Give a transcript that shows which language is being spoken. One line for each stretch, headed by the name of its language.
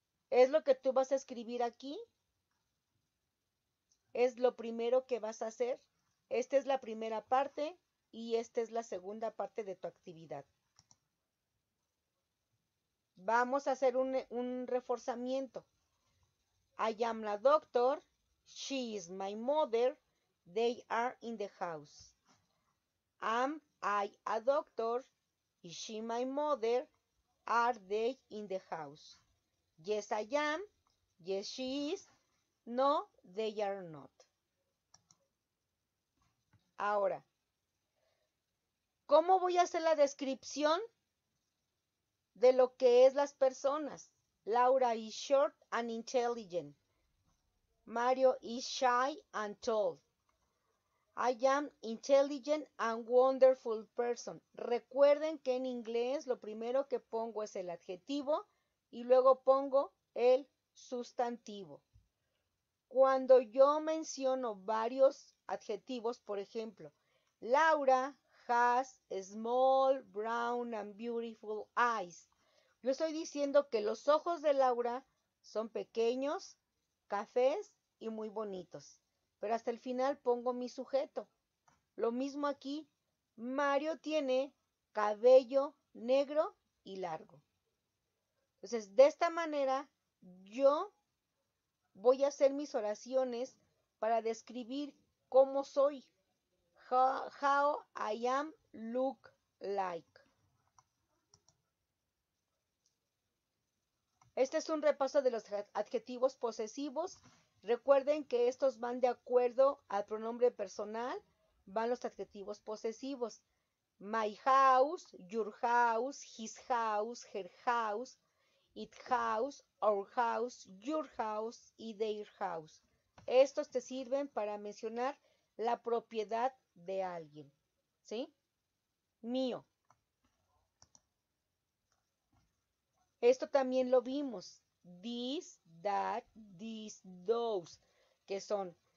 Spanish: Es lo que tú vas a escribir aquí. Es lo primero que vas a hacer. Esta es la primera parte y esta es la segunda parte de tu actividad. Vamos a hacer un reforzamiento.
English: I am a doctor, she is my mother, they are in the house. Am I a doctor, is she my mother, are they in the house? Yes, I am, yes, she is, no, they are not.
Spanish: Ahora, ¿cómo voy a hacer la descripción de lo que es las personas?
English: Laura is short and intelligent. Mario is shy and tall. I am intelligent and wonderful person.
Spanish: Recuerden que en inglés lo primero que pongo es el adjetivo y luego pongo el sustantivo. Cuando yo menciono varios adjetivos, por ejemplo,
English: Laura has small, brown and beautiful eyes.
Spanish: Yo estoy diciendo que los ojos de Laura son pequeños, cafés y muy bonitos. Pero hasta el final pongo mi sujeto. Lo mismo aquí, Mario tiene cabello negro y largo. Entonces, de esta manera, yo voy a hacer mis oraciones para describir cómo soy.
English: How I am look like.
Spanish: Este es un repaso de los adjetivos posesivos. Recuerden que estos van de acuerdo al pronombre personal, van los adjetivos posesivos.
English: My house, your house, his house, her house, it house, our house, your house y their house.
Spanish: Estos te sirven para mencionar la propiedad de alguien, ¿sí? Mío. Esto también lo vimos,
English: this, that, these, those,
Spanish: que son